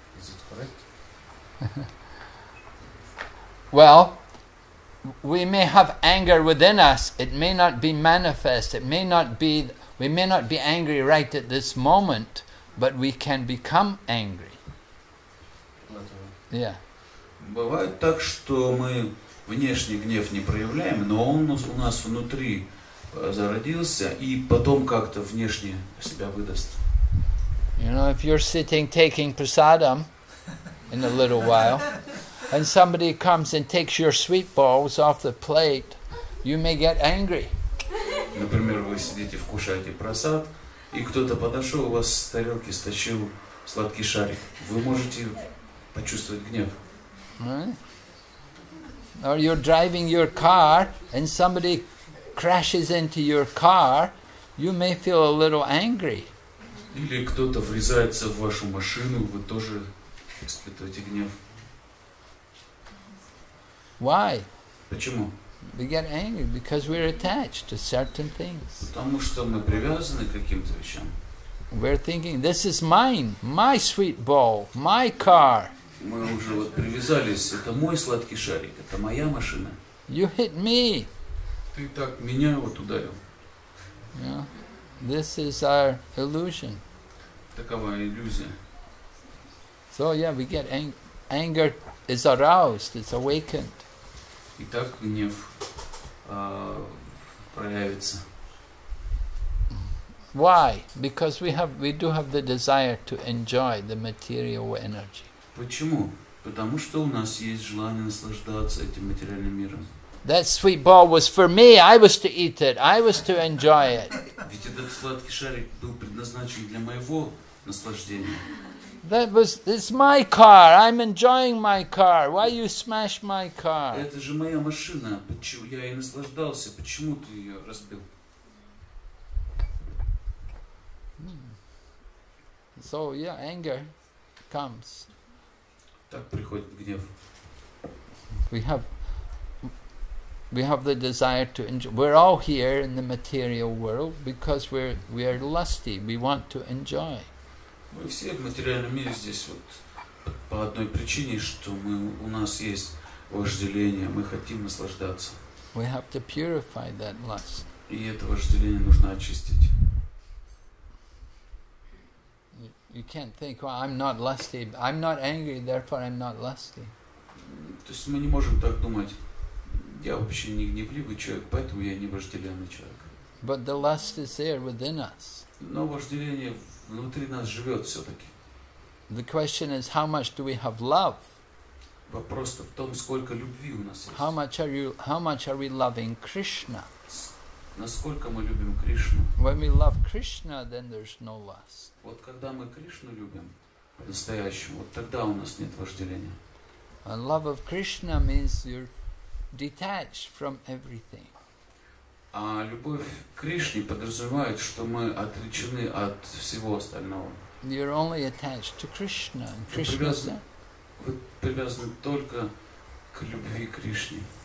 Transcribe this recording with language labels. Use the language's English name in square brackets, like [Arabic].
[English] Is it correct? Well, we may have anger within us. It may not be manifest. We may not be angry right at this moment, but we can become angry. Yeah. [Russian] Бывает так, что мы внешний гнев не проявляем, но он у нас внутри зародился и потом как-то внешне себя выдаст. [English] You know, if you're sitting taking prasadam in a little while, and somebody comes and takes your sweet balls off the plate, you may get angry. [Russian] Например, вы сидите, вкушаете прасад, и кто-то подошел, у вас с тарелки стащил сладкий шарик. Вы можете почувствовать гнев. [English] Right? Or you're driving your car, and somebody crashes into your car, you may feel a little angry. [Russian] Или кто-то врезается в вашу машину, вы тоже испытываете гнев. [English] Why? [Russian] Почему? [English] We get angry because we're attached to certain things. [Russian] Потому что мы привязаны к каким-то вещам. [English] We're thinking, this is mine, my sweet ball, my car. [Russian] Мы уже вот привязались, это мой сладкий шарик, это моя машина. [English] You hit me. [Russian] Ты так меня вот ударил. [English] Yeah. This is our illusion. [Russian] Такова иллюзия. [English] So yeah, we get anger is aroused, it's awakened. [Russian] И так гнев проявится. [English] Why? Because we do have the desire to enjoy the material energy. [Russian] Почему? Потому что у нас есть желание наслаждаться этим материальным миром. [English] That sweet ball was for me. I was to eat it. I was to enjoy it. [Russian] Ведь этот сладкий шарик был предназначен для моего наслаждения. [English] It's my car. I'm enjoying my car. Why you smash my car? [Russian] Это же моя машина. Почему я ей наслаждался? Почему ты ее разбил? [English] So yeah, anger comes. [Russian] Так приходит гнев. [English] We have We have the desire to enjoy. We're all here in the material world because we are lusty. We want to enjoy. [Russian] Мы все в материальном мире здесь вот по одной причине, что мы у нас есть вожделение, мы хотим наслаждаться. [English] We have to purify that lust. [Russian] И это вожделение нужно очистить. [English] You can't think, well, I'm not lusty. I'm not angry, therefore I'm not lusty. [Russian] То есть мы не можем так думать. Я вообще не гневливый человек, поэтому я не вожделенный человек. [English] But the lust is there within us. [Russian] Но вожделение внутри нас живет все-таки. [English] The question is, how much do we have love? [Russian] Вопрос в том, сколько любви у нас есть. [English] How much are we loving Krishna? [Russian] Насколько мы любим Кришну? [English] When we love Krishna, then there's no lust. [Russian] Вот когда мы Кришну любим по-настоящему, вот тогда у нас нет вожделения. [English] And love of Krishna means you're detached from everything. [Russian] А любовь к Кришне подразумевает, что мы отречены от всего остального. [English] You're only attached to Krishna. [Russian] Вы привязаны только к любви к Кришне.